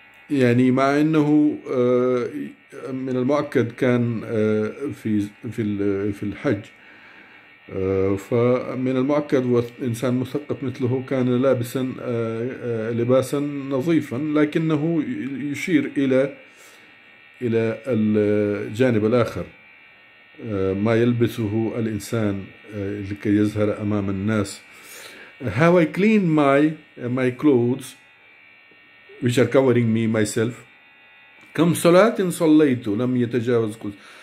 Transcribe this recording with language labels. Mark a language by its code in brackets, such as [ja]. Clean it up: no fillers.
[ar] يعني مع أنه من المؤكد كان في الحج، فمن المؤكد وإنسان مثقف مثله كان لابسا لباسا نظيفا، لكنه يشير إلى الجانب الآخر، ما يلبسه الإنسان لكي يظهر أمام الناس. [en] Have I cleaned my clothes which are covering me myself? [ar] كم صلاة صليت لم يتجاوز قلت.